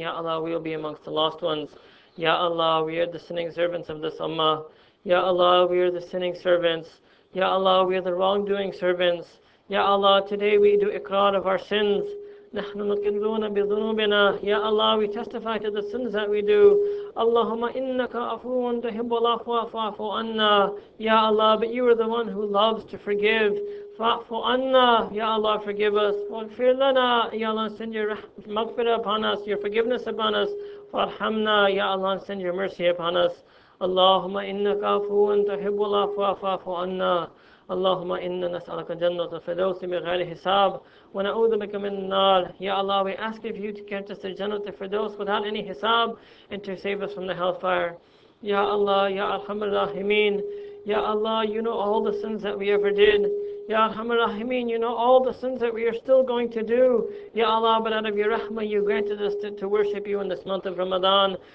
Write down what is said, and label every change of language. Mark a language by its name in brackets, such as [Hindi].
[English] Ya Allah, we will be amongst the lost ones. Ya Allah, we are the sinning servants of this Ummah. Ya Allah, we are the sinning servants. Ya Allah, we are the wrongdoing servants. Ya Allah, today we do iqrar of our sins. [Arabic] نَحْنُ مُقِرُّونَ بِذُنُوبِنَا. [English] Ya Allah, we testify to the sins that we do. [Arabic] اللهم إنك عفوٌ تحب العفو فاعفو عنا. [English] Ya Allah, but you are the one who loves to forgive. [Arabic] فاعفو عنا. [English] Ya Allah, forgive us. [Arabic] وَاغْفِرْ لَنَا. [English] Ya Allah, send your maghfirah upon us, your forgiveness upon us. [Arabic] فَارْحَمْنَا. [English] Ya Allah, send your mercy upon us. [Arabic] اللهم إنك عفوٌ تحب العفو فاعفو عنا. اللهم إنا نسألك الجنة الفردوس بغير حساب ونعوذ بك من النار. [English] Ya Allah, we ask of you to grant us the Jannah al-Firdaus without any hisab and to save us from the hellfire. Ya Allah, Ya Arhamar Rahimin. Ya Allah, you know all the sins that we ever did. Ya Arhamar Rahimin, you know all the sins that we are still going to do. Ya Allah, but out of your rahmah, you granted us to worship you in this month of Ramadan.